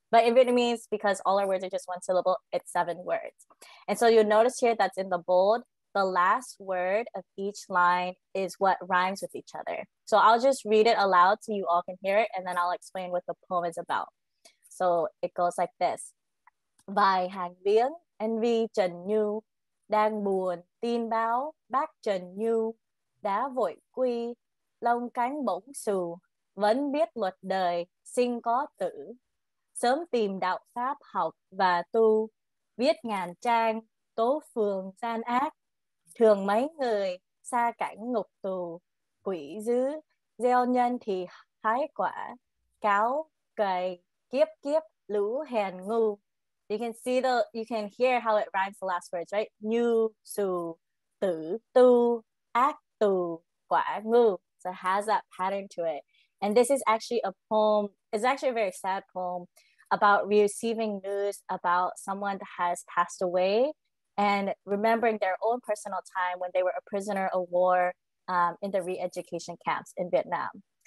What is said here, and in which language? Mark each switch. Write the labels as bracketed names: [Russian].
[English] But in Vietnamese, because all our words are just 1 syllable, it's 7 words. And so you'll notice here that's in the bold, the last word of each line is what rhymes with each other. So I'll just read it aloud so you all can hear it, and then I'll explain what the poem is about. So it goes like this. [Vietnamese] Vài hàng viếng, anh vi trần như, đang buồn, tin báo, bác trần như, đã vội quy, lông cánh bỗng xù, vẫn biết luật đời, sinh có tử. Sớm tìm đạo pháp học và tu, viết ngàn trang, tố phường gian ác, thường mấy người, xa cảnh ngục tù, quỷ dữ, gieo nhân thì hái quả, cáo, cày, kiếp kiếp, lũ hèn ngu. [English] You can see the, you can hear how it rhymes the last words, right? [Vietnamese] Như, su, tử, tu, ác, tù, quả, ngu. [English] So it has that pattern to it. And this is actually a poem, it's actually a very sad poem about receiving news about someone that has passed away and remembering their own personal time when they were a prisoner of war in the re-education camps in Vietnam.